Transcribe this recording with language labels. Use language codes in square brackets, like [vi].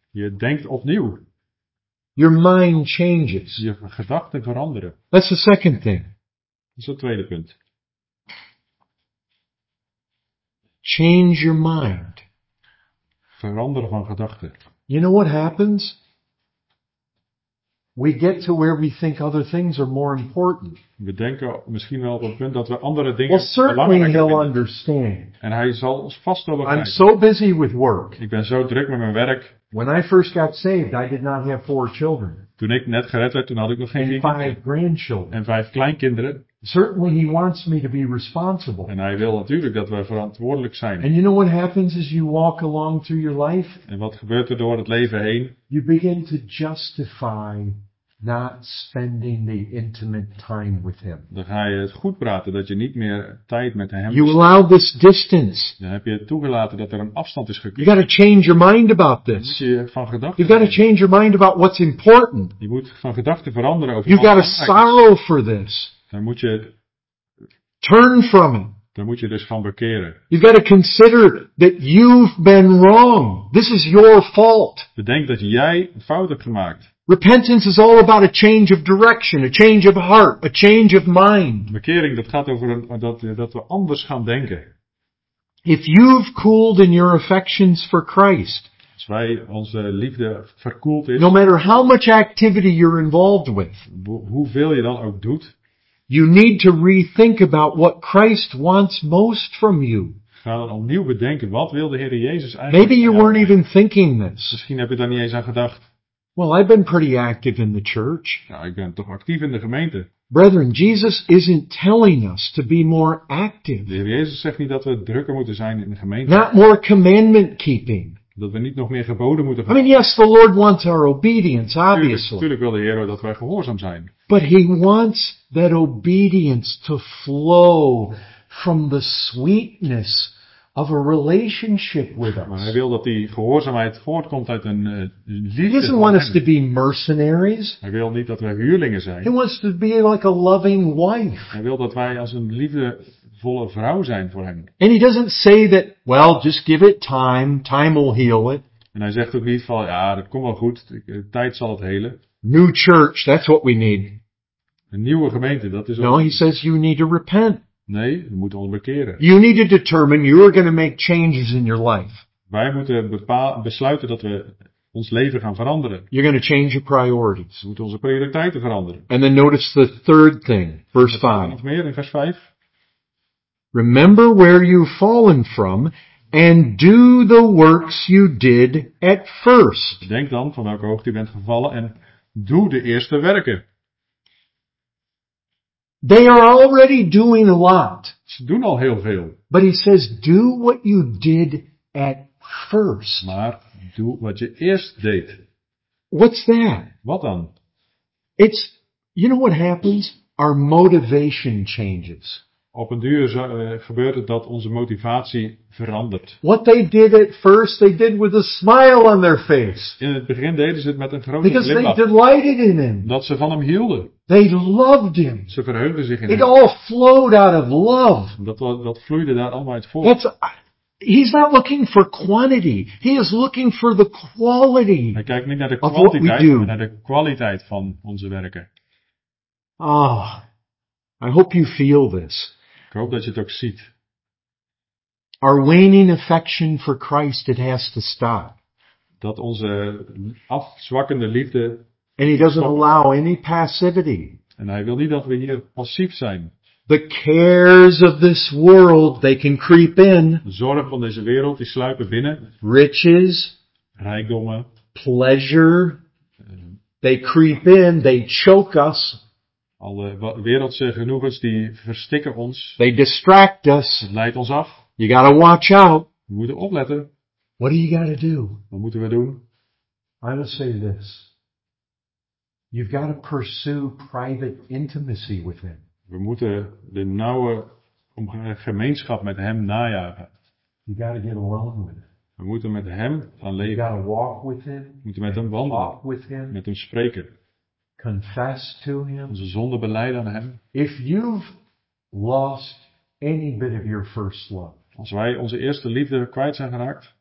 [nl] Je denkt opnieuw. [en] Your mind changes. [nl] Je gedachten veranderen. [en] That's the second thing. [nl] Dat is het tweede punt. [en] Change your mind. [nl] Veranderen van gedachten. [en] You know what happens? We get to where we think other things are more important. [nl] We denken misschien wel op het punt dat we andere dingen belangrijker vinden. [en] certainly he'll understand. [nl] En hij zal ons vast wel begrijpen. [en] I'm so busy with work. [nl] Ik ben zo druk met mijn werk. [en] When I first got saved, I did not have four children. [nl] Toen ik net gered werd, toen had ik nog geen kinderen. [en] Five grandchildren. [nl] En vijf kleinkinderen. [en] Certainly he wants me to be responsible. [nl] En hij wil natuurlijk dat wij verantwoordelijk zijn. [en] And you know what happens as you walk along through your life? [nl] En wat gebeurt er door het leven heen? [en] You begin to justify not spending the intimate time with him. [nl] Dan ga je het goed praten dat je niet meer tijd met hem. [en] You allow this distance. [nl] Dan heb je toegelaten dat er een afstand is gekomen. [en] You got to change your mind about this. [nl] Je moet van gedachten. [en] You got to change your mind about what's important. [nl] Je moet van gedachten veranderen over. [en] You got to sorrow for this. [nl] Dan moet je [en] turn from it. [nl] Dan moet je dus van bekeren. [en] You've got to consider that you've been wrong. This is your fault. [nl] Bedenk dat jij een fout hebt gemaakt. [en] Repentance is all about a change of direction, a change of heart, a change of mind. [nl] Bekering, dat gaat over dat we anders gaan denken. [en] If you've cooled in your affections for Christ, [nl] als wij onze liefde verkoeld is, [en] no matter how much activity you're involved with, [nl] hoeveel je dan ook doet, [en] you need to rethink about what Christ wants most from you. [nl] Ga dan opnieuw bedenken, wat wil de Heer Jezus eigenlijk? [en] Maybe you weren't even thinking this. [nl] Misschien heb je daar niet eens aan gedacht. [en] Well, I've been pretty active in the church. [nl] Ja, ik ben toch actief in de gemeente. [en] Brethren, Jesus isn't telling us to be more active. [nl] De Heer Jezus zegt niet dat we drukker moeten zijn in de gemeente. [en] Not more commandment keeping. [nl] Dat we niet nog meer geboden moeten gaan. [en] I mean, yes, the Lord wants our obedience, obviously. [nl] Natuurlijk wil de Heer dat wij gehoorzaam zijn. [en] But he wants that obedience to flow from the sweetness of a relationship with us. [nl] Maar hij wil dat die gehoorzaamheid voortkomt uit een liefde. [en] He doesn't want us to be mercenaries. [nl] Hij wil niet dat wij huurlingen zijn. [en] He wants to be like a loving wife. [nl] Hij wil dat wij als een liefdevolle vrouw zijn voor hem. [en] And he doesn't say that, well, just give it time, time will heal it. [nl] En hij zegt ook niet van, ja, dat komt wel goed, tijd zal het helen. [en] New church, that's what we need. [nl] Een nieuwe gemeente, dat is ook. [en] No, he says you need to repent. [nl] Nee, we moeten ons bekeren. [en] You need to determine you are going to make changes in your life. [nl] Wij moeten besluiten dat we ons leven gaan veranderen. [en] You're going to change your priorities. [nl] We moeten onze prioriteiten veranderen. [en] And then notice the third thing, verse 5. [nl] Nog meer in vers 5. [en] Remember where you've fallen from and do the works you did at first. [nl] Denk dan van welke hoogte je bent gevallen en doe de eerste werken. [en] They are already doing a lot. [nl] Ze doen al heel veel. [en] But he says, do what you did at first. [nl] Maar doe wat je eerst deed. [en] What's that? [nl] Wat dan? [en] It's, you know what happens? Our motivation changes. [nl] Op een duur gebeurt het dat onze motivatie verandert. [en] What they did at first, they did with a smile on their face. [nl] In het begin deden ze het met een grote glimlach. [en] Because they delighted in him. [nl] Dat ze van hem hielden. [en] They loved him. [nl] Ze verheugden zich in hem. [en] It all flowed out of love. [nl] Dat vloeide daar allemaal uit voort. [en] He's not looking for quantity. He is looking for the quality. [nl] Hij kijkt niet naar de kwantiteit, maar naar de kwaliteit van onze werken. [en] Ah. I hope you feel this. [nl] Ik hoop dat je het ook ziet. [en] Our waning affection for Christ, it has to stop. [nl] Dat onze afzwakkende liefde. [en] And he doesn't allow any passivity. [nl] En hij wil niet dat we hier passief zijn. [en] The cares of this world, they can creep in. [nl] De zorgen van deze wereld, die sluipen binnen. [en] Riches. [nl] Rijkdommen. [en] Pleasure. They creep in, they choke us. [nl] Alle wereldse genoegens die verstikken ons. [en] They distract us. [nl] Het leidt ons af. [en] You gotta watch out. [nl] We moeten opletten. [en] What do you got to do? [nl] Wat moeten we doen? [en] I would say this. You've got to pursue private intimacy with him. [nl] We moeten de nauwe gemeenschap met hem najagen. [en] You got to get along with him. [nl] We moeten met hem gaan leven. [en] You got to walk with him. [nl] We moeten met hem wandelen. [en] Talk with him. [nl] Met hem spreken. [en] Confess to him. [nl] Onze zonde belijden aan hem. [en] If you've lost any bit of your first love. [nl] Als wij onze eerste liefde kwijt zijn geraakt.